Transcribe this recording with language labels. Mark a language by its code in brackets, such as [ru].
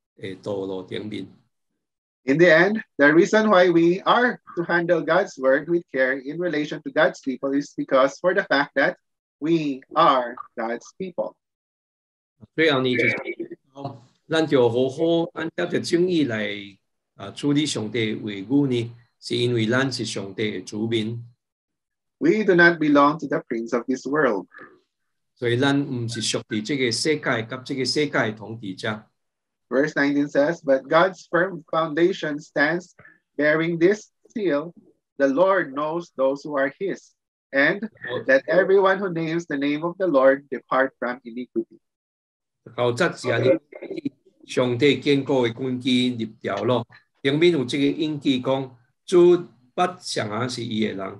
[en] In the end, the reason why we are to handle God's word with care in relation to God's people is because for the fact that we are God's people. [nan] 最后呢，就是咱就好好按照着正义来处理上帝话语呢，是因为咱是上帝的子民。 [en] We do not belong to the prince of this world. So we are not from this world and this world. Verse 19 says, but God's firm foundation stands bearing this seal. The Lord knows those who are his, and that everyone who names the name of the Lord depart from iniquity.